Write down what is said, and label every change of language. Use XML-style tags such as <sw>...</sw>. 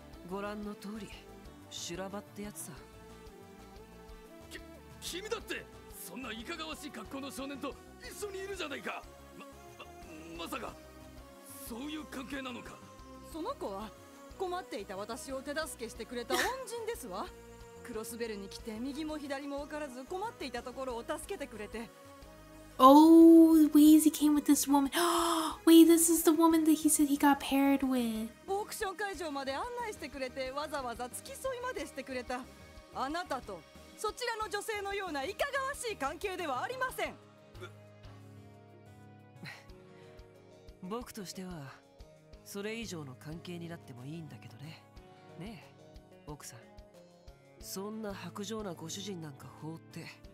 <ja>ご覧の通り、修羅場ってやつさ。君だって、そんないかがわしい格好の少年と一緒にいるじゃないか。まさか、そういう関係なのか。その子は困っていた私を手助けしてくれた恩人ですわ。クロスベルに来て右も左も分からず困っていた所を助けてくれて。</ja> <en>Oh, Weezy came with this woman. Weezy, this is the woman that he said he got paired with.</en> <ja>オークション会場まで案内してくれて、わざわざ付き添いまでしてくれた。あなたとそちらの女性のようないかがわしい関係ではありません。僕としてはそれ以上の関係になってもいいんだけどね。ねえ、奥さん。そんな薄情なご主人なんか放って。</ja>